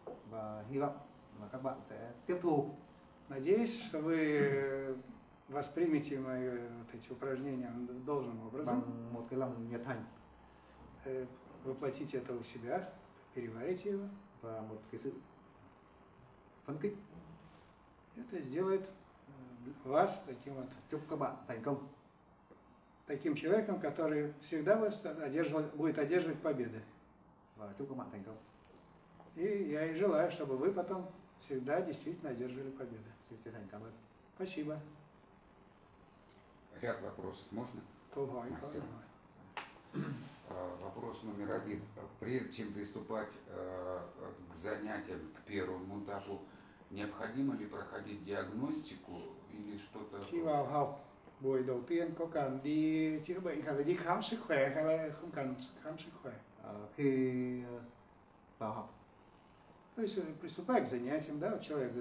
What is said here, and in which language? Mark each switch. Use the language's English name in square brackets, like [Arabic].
[Vietnamese] Và hy vọng là các bạn sẽ tiếp thu. [Russian] Надеюсь, что вы воспримите мои вот эти упражнения должным образом. [Vietnamese] Bằng một cái lòng nhiệt thành. [Russian] Воплотите это у себя, переварите его. [Vietnamese] Và một cái sự phấn khích. [Russian] Это сделает вас таким вот. [Vietnamese] Chúc các bạn thành công. [Russian] Таким человеком, который всегда будет одерживать победы. [Vietnamese] Và chúc các bạn thành công. [Russian] И я и желаю, чтобы вы потом всегда действительно одерживали победы. Спасибо. Ряд вопросов можно? Давай, давай. Вопрос номер один. Прежде чем приступать к занятиям, к первому этапу, необходимо ли проходить диагностику или что-то? [Vietnamese] Khi vào học buổi đầu tiên có cần đi chữa bệnh hay là đi khám sức khỏe hay là không cần khám sức khỏe? Khi vào học. [Russian] То есть приступай к занятиям, да, человек